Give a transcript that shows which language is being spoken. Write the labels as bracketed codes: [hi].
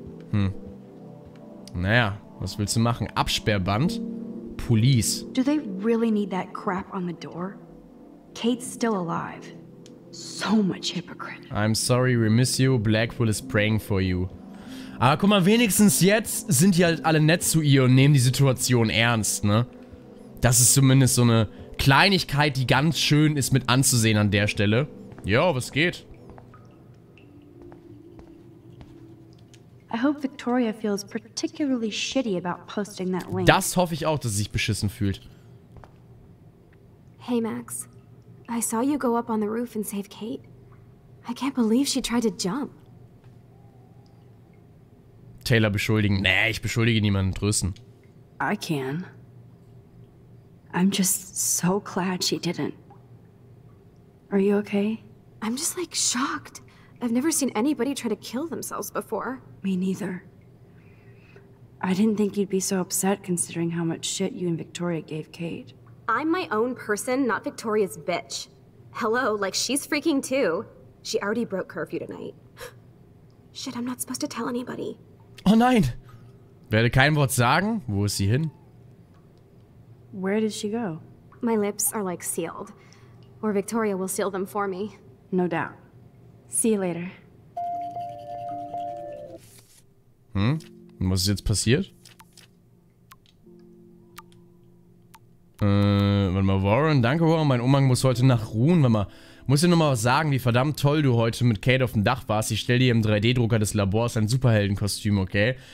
[de] Hm. Naja, was willst du machen? Absperrband? Police. [en] Do they really need that crap on the door? Kate's still alive. So much hypocrite. I'm sorry, we miss you. Blackpool is praying for you. [de] Aber guck mal, wenigstens jetzt sind die halt alle nett zu ihr und nehmen die Situation ernst, ne? Das ist zumindest so eine Kleinigkeit, die ganz schön ist mit anzusehen an der Stelle. Jo, was geht? [en] I hope Victoria feels particularly shitty about posting that link. [de] Das hoffe ich auch, dass sie sich beschissen fühlt. [en] Hey, Max. I saw you go up on the roof and save Kate. I can't believe she tried to jump. [de] Taylor beschuldigen. Nee, ich beschuldige niemanden. Trösten. [en] I can. I'm just so glad she didn't. Are you okay? I'm just like shocked. I've never seen anybody try to kill themselves before. Me neither. I didn't think you'd be so upset considering how much shit you and Victoria gave Kate. I'm my own person, not Victoria's bitch. Hello, like she's freaking too. She already broke curfew tonight. Shit, I'm not supposed to tell anybody. Oh nein! Werde kein Wort sagen? Wo ist sie hin? Where did she go? My lips are like sealed. Or Victoria will seal them for me. No doubt. See you later. [de] Hm? Was ist jetzt passiert? Warte mal, Warren, danke, Warren. Mein Umhang muss heute nach Ruhen. Warte mal, muss dir nochmal was sagen, wie verdammt toll du heute mit Kate auf dem Dach warst. Ich stell dir im 3D-Drucker des Labors ein Superheldenkostüm, okay?